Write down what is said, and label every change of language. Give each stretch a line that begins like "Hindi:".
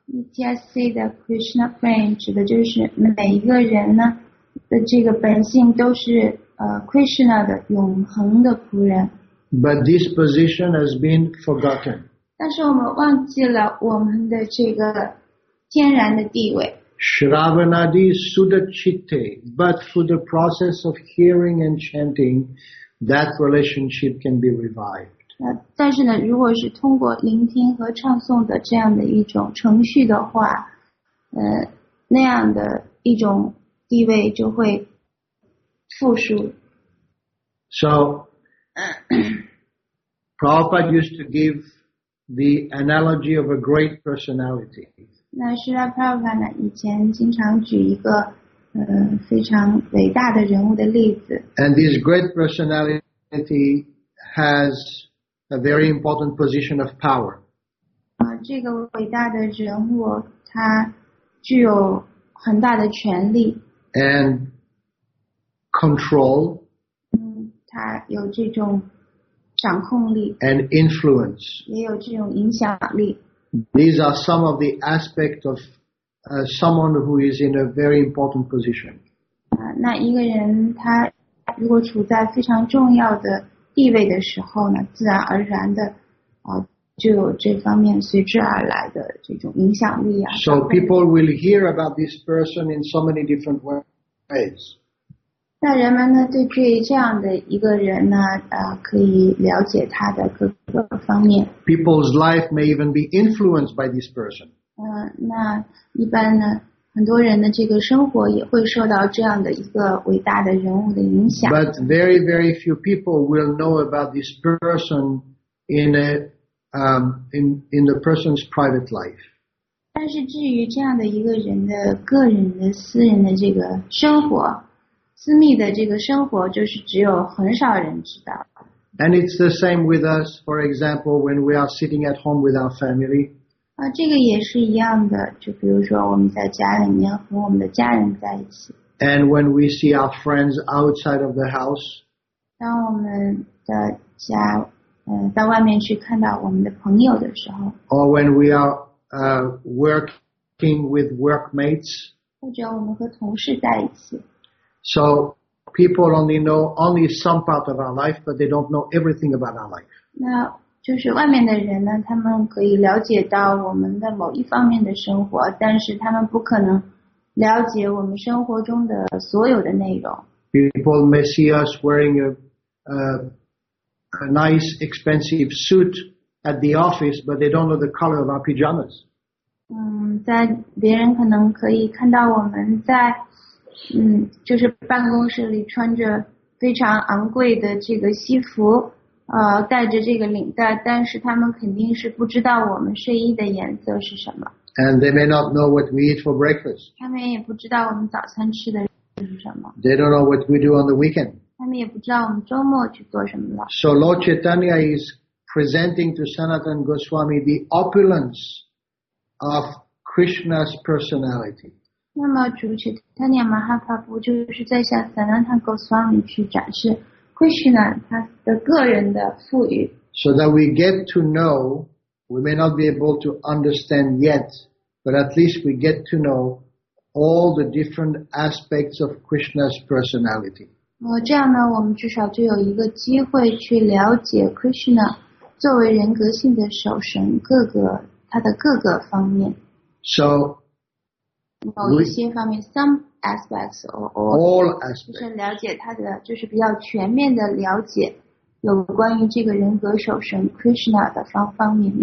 Chinese: Nitya Siddha Krishna Prem 指的就是每一个人呢的这个本性都是Krishna 的永恒的仆人。
English: But this position has been forgotten.
Chinese: 但是我们忘记了我们的这个天然的地位。
Sanskrit: Shravanadi Sudachite,
English: but through the process of hearing and chanting, that relationship can be revived.
Chinese: 但是呢，如果是通过聆听和唱诵的这样的一种程序的话，那样的一种地位就会复苏。
English: So, Prabhupada used to give the analogy of a great personality.
Chinese: 那 Srila Prabhupada 以前经常举一个非常伟大的人物的例子。
English: And this great personality has a very important position of power.
Chinese: 这个伟大的人物他具有很大的权力。
English: And control.
Chinese: 他有这种掌控力。
English: And influence.
Chinese: 也有这种影响力。
English: These are some of the aspects of someone who is in a very important position.
Chinese: 那一个人他如果处在非常重要的地位的时候呢，自然而然的就有这方面随之而来的这种影响力啊。
English: So people will hear about this person in so many different ways.
Chinese: 那人们呢，对这样的一个人呢，可以了解他的各个方面。
English: People's life may even be influenced by this person.
Chinese: 那一般呢，很多人的这个生活也会受到这样的一个伟大的人物的影响。
English: But very, very few people will know about this person in the person's private life.
Chinese: 但是至于这样的一个人的个人的私人的这个生活，私密的这个生活，就是只有很少人知道。
English: And it's the same with us, for example, when we are sitting at home with our family.
Chinese: 这个也是一样的，就比如说我们在家里面和我们的家人在一起。
English: And when we see our friends outside of the house.
Chinese: 当我们的家在外面去看到我们的朋友的时候。
English: Or when we are working with workmates.
Chinese: 或者我们和同事在一起。
English: So people only know only some part of our life, but they don't know everything about our life.
Chinese: 那就是外面的人呢，他们可以了解到我们的某一方面的生活，但是他们不可能了解我们生活中的所有的内容。
English: People may see us wearing a nice expensive suit at the office, but they don't know the color of our pajamas.
Chinese: 在别人可能可以看到我们在就是办公室里穿着非常昂贵的这个西服，带着这个领带，但是他们肯定是不知道我们睡衣的颜色是什么。
English: And they may not know what we eat for breakfast.
Chinese: 他们也不知道我们早餐吃的是什么。
English: They don't know what we do on the weekend.
Chinese: 他们也不知道我们周末去做什么了。
English: So Lord Chaitanya is presenting to Sanatana Goswami the opulence of Krishna's personality.
Chinese: 那么主持他念马哈帕布就是在向萨那坦戈斯瓦米去展示 Krishna 他的个人的富裕。
English: So that we get to know, we may not be able to understand yet, but at least we get to know all the different aspects of Krishna's personality.
Chinese: 这样呢，我们至少就有一个机会去了解 Krishna 作为人格性的守神各个他的各个方面。
English: So,
Chinese: 某一些方面
English: some aspects or all aspects
Chinese: 就是了解他的就是比较全面的了解有关于这个人格守神 Krishna 的方面